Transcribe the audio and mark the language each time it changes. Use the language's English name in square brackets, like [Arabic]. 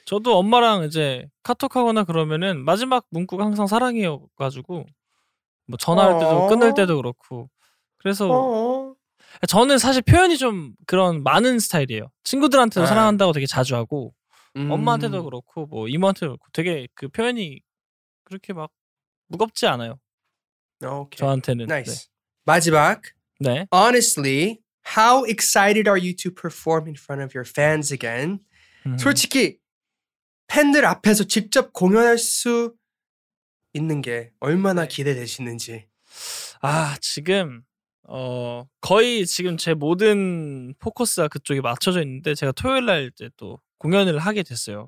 [Korean] 저도 엄마랑 이제 카톡하거나 그러면은 마지막 문구가 항상 사랑해요 가지고 뭐 전화할 때도 끊을 때도 그렇고 그래서 저는 사실 표현이 좀 그런 많은 스타일이에요. 친구들한테도 사랑한다고 되게 자주 하고. 엄마한테도 그렇고 뭐 이모한테도 그렇고 되게 그 표현이 그렇게 막 무겁지 않아요. 오케이. 저한테는. 나이스. 네. 마지막. 네. [English] Honestly, how excited are you to perform in front of your fans again? [Korean] 솔직히 팬들 앞에서 직접 공연할 수 있는 게 얼마나 기대되시는지. 지금 거의 지금 제 모든 포커스가 그쪽에 맞춰져 있는데 제가 토요일 날 이제 또 공연을 하게 됐어요.